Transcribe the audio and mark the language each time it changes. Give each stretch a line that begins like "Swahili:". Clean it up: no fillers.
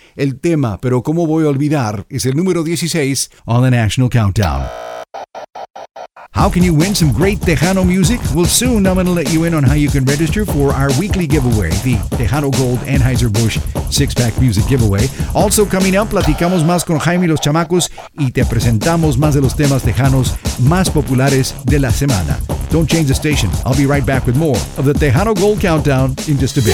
Spanish: El tema,
English: Pero Cómo Voy a Olvidar, is
Spanish: el número
English: 16 on the National Countdown. How can you win some great Tejano music? Well, soon I'm going to let you in on how you can register for our weekly giveaway, the Tejano Gold Anheuser-Busch six-pack music giveaway. Also coming up,
Spanish: platicamos más con Jaime y los chamacos y te presentamos más de los temas tejanos más populares de la semana.
English: Don't change the station. I'll be right back with more of the Tejano Gold Countdown in just a bit.